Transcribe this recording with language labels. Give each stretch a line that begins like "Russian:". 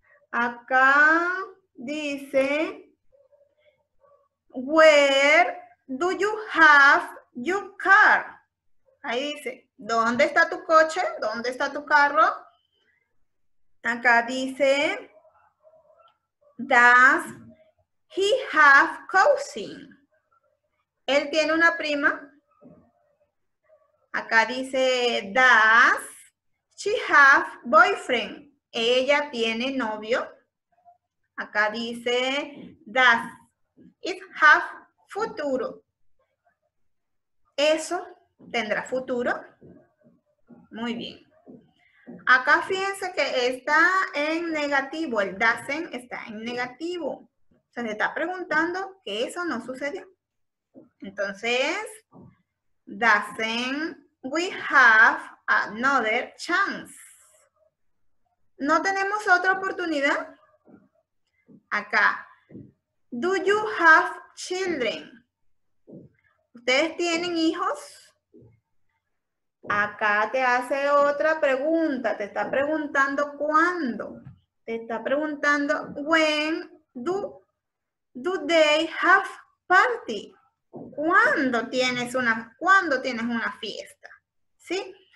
Spanish: Acá dice,
English: where do you have your car?
Spanish: Ahí dice, ¿dónde está tu coche? ¿Dónde está tu carro? Acá dice,
English: does he have cousin?
Spanish: Él tiene una prima. Acá dice,
English: does she have boyfriend?
Spanish: Ella tiene novio. Acá dice,
English: does it have
Spanish: futuro? Eso tendrá futuro. Muy bien. Acá fíjense que está en negativo. El doesn't está en negativo. Se le está preguntando que eso no sucedió. Entonces,
English: doesn't we have another chance?
Spanish: ¿No tenemos otra oportunidad? Acá,
English: do you have children?
Spanish: ¿Ustedes tienen hijos? Acá te hace otra pregunta. Te está preguntando cuándo. Te está preguntando
English: when do they have party?
Spanish: ¿Cuándo tienes una fiesta? ¿Sí?